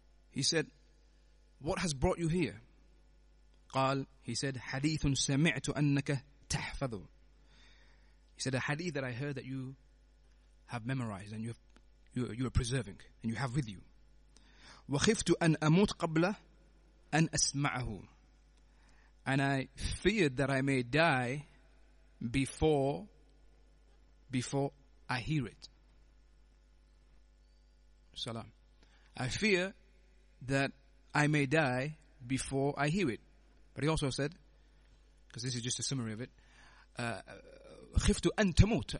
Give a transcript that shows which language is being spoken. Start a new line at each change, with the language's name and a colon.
English: He said, what has brought you here? Qal, he said,
Arabic: hadithun sami'tu annaka tahfadhu.
English: He said, a hadith that I heard that you have memorized and you are preserving and you have with you.
Arabic: وخفت أن أموت قبل أن أسمعه.
English: And I feared that I may die before I hear it. Salam. I fear that I may die before I hear it. But he also said, because this is just a summary of it,
Arabic: خفت أن تموت.